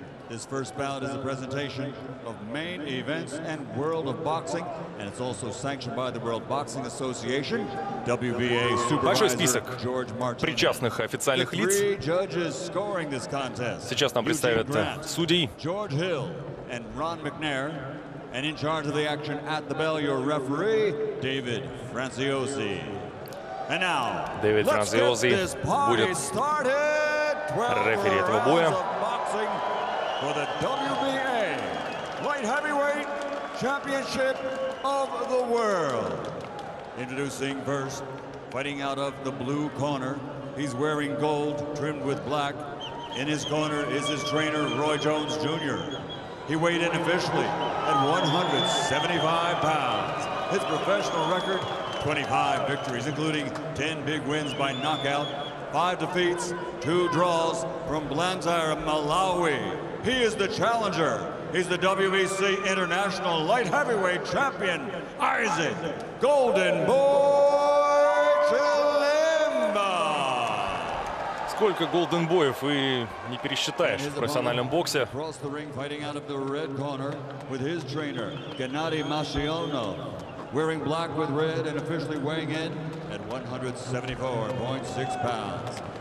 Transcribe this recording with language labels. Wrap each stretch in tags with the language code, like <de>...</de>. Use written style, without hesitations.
<en>His first bout is a presentation of Main Events and World of Boxing, and it's also sanctioned by the World Boxing Association, WBA supervisor George Martin.</en> <ru>Причастных официальных лиц.</ru> <en>Three judges scoring this contest.</en> <ru>Сейчас нам представят судей.</ru> <en>George Hill and Ron McNair, and in charge of the action at the bell, your referee David Franciosi. And now,</en> <ru>David Franciosi будет рефери этого боя.</ru> <en>For the WBA Light Heavyweight Championship of the World. Introducing first, fighting out of the blue corner. He's wearing gold trimmed with black. In his corner is his trainer, Roy Jones Jr. He weighed in officially at 175 pounds. His professional record, 25 victories, including 10 big wins by knockout, 5 defeats, 2 draws from Blantyre, Malawi. He is the challenger. He's the WBC International Light Heavyweight Champion, Isaac Golden Boy Чилембе.</en> <ru>Сколько Golden Boy'ов и не пересчитаешь в профессиональном боксе.</ru> <en>Across the ring, fighting out of the red corner with his trainer, Gennady Mashiono. Wearing black with red and officially weighing in at 174.6 pounds.</en>